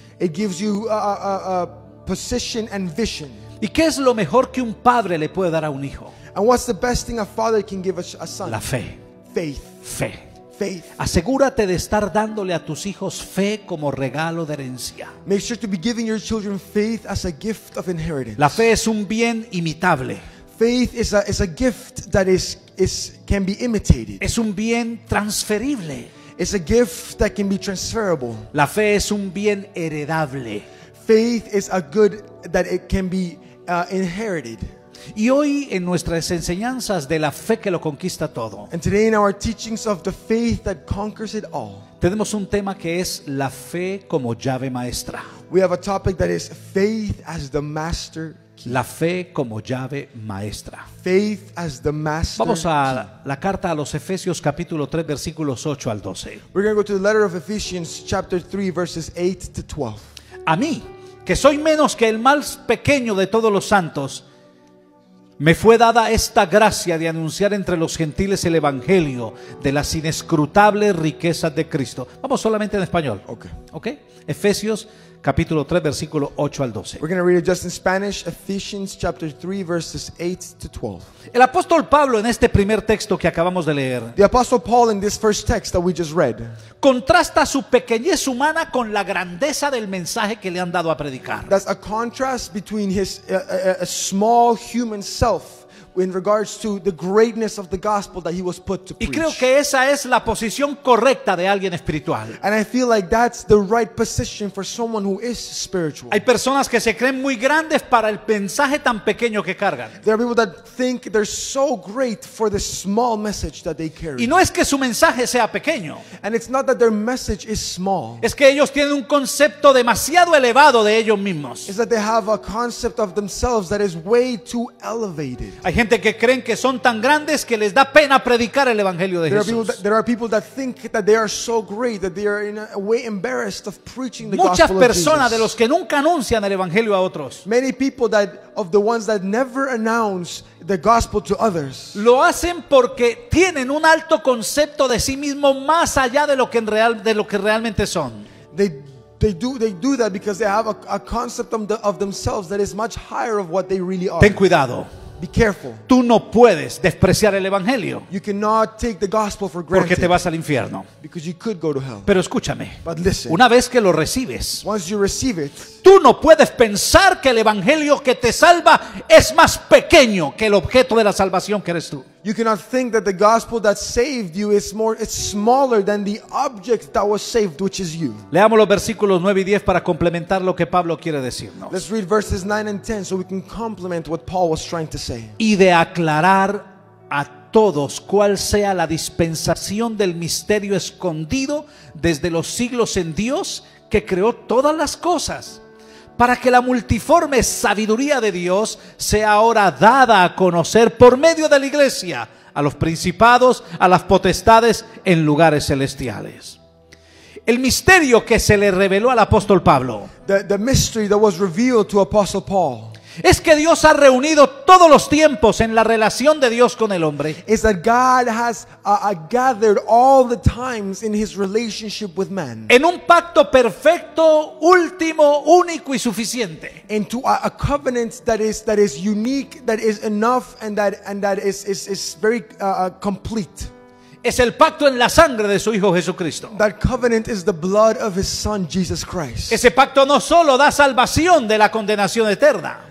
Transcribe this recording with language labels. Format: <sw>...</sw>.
<en>It gives you a position and vision.</en> <es>¿Y qué es lo mejor que un padre le puede dar a un hijo?</es> <en>And what's the best thing a father can give a son?</en> <es>La fe.</es> <en>Faith.</en> <es>Fe.</es> <en>Faith.</en> <es>Asegúrate de estar dándole a tus hijos fe como regalo de herencia.</es> <en>Make sure to be giving your children faith as a gift of inheritance.</en> <es>La fe es un bien imitable.</es> <en>Faith is a gift that is can be imitated.</en> <es>Es un bien transferible.</es> <en>It's a gift that can be transferable.</en> <es>La fe es un bien heredable.</es> <en>Faith is a good that it can be inherited.</en> <es>Y hoy en nuestras enseñanzas de la fe que lo conquista todo.</es> <en>And today in our teachings of the faith that conquers it all.</en> <es>Tenemos un tema que es la fe como llave maestra.</es> <en>We have a topic that is faith as the master key.</en> <es>La fe como llave maestra.</es> <en>Faith as the master.</en> <es>Vamos a la carta a los Efesios capítulo 3 versículos 8 al 12.</es> <en>We're going to go to the letter of Ephesians chapter 3 verses 8 to 12.</en> <es>A mí, que soy menos que el más pequeño de todos los santos, me fue dada esta gracia de anunciar entre los gentiles el evangelio de las inescrutables riquezas de Cristo. Vamos solamente en español.</es> <en>Okay.</en> <es>Okay. Efesios capítulo 3, versículo 8 al 12.</es> <en>We're going to read it just in Spanish, Ephesians chapter 3, verses 8 to 12.</en> <es>El apóstol Pablo en este primer texto que acabamos de leer,</es> <en>the apostle Paul in this first text that we just read,</en> <es>contrasta su pequeñez humana con la grandeza del mensaje que le han dado a predicar.</es> <en>That's a contrast between his a small human self in regards to the greatness of the gospel that he was put to preach.</en> <es>Y creo que esa es la posición correcta de alguien espiritual.</es> <en>And I feel like that's the right position for someone who is spiritual.</en> <es>Hay personas que se creen muy grandes para el mensaje tan pequeño que cargan.</es> <en>There are people that think they're so great for the small message that they carry.</en> <es>Y no es que su mensaje sea pequeño.</es> <en>And it's not that their message is small.</en> <es>Es que ellos tienen un concepto demasiado elevado de ellos mismos.</es> <en>It's that they have a concept of themselves that is way too elevated.</en> <es>Hay gente que creen que son tan grandes que les da pena predicar el evangelio de Jesús.</es> <en>There are people that think that they are so great that they are in a way embarrassed of preaching the gospel of Jesus.</en> <es>Muchas personas de los que nunca anuncian el evangelio a otros.</es> <en>Many people that of the ones that never announce the gospel to others.</en> <es>Lo hacen porque tienen un alto concepto de sí mismo más allá de lo que en real de lo que realmente son.</es> <en>They do that because they have a concept of themselves that is much higher of what they really are.</en> <es>Ten cuidado.</es> <en>Be careful.</en> <es>Tú no puedes despreciar el evangelio.</es> <en>You cannot take the gospel for granted.</en> <es>Porque te vas al infierno.</es> <en>Because you could go to hell.</en> <es>Pero escúchame.</es> <en>But listen.</en> <es>Una vez que lo recibes,</es> <en>once you receive it,</en> <es>tú no puedes pensar que el evangelio que te salva es más pequeño que el objeto de la salvación que eres tú.</es> <en>You cannot think that the gospel that saved you is more, it's smaller than the object that was saved, which is you.</en> <es>Leamos los versículos 9 y 10 para complementar lo que Pablo quiere decirnos.</es> <en>Let's read verses 9 and 10 so we can complement what Paul was trying to say.</en> <es>Y de aclarar a todos cuál sea la dispensación del misterio escondido desde los siglos en Dios que creó todas las cosas, para que la multiforme sabiduría de Dios sea ahora dada a conocer por medio de la iglesia a los principados, a las potestades en lugares celestiales. El misterio que se le reveló al apóstol Pablo,</es> <en>the mystery that was revealed to Apostle Paul,</en> <es>es que Dios ha reunido todos los tiempos en la relación de Dios con el hombre.</es> <en>Is that God has gathered all the times in his relationship with man.</en> <es>En un pacto perfecto, último, único y suficiente.</es> <en>Into a covenant that is unique, that is enough, and that is very complete.</en> <es>Es el pacto en la sangre de su Hijo Jesucristo.</es> <en>That covenant is the blood of his Son, Jesus Christ.</en> <es>Ese pacto no solo da salvación de la condenación eterna.</es>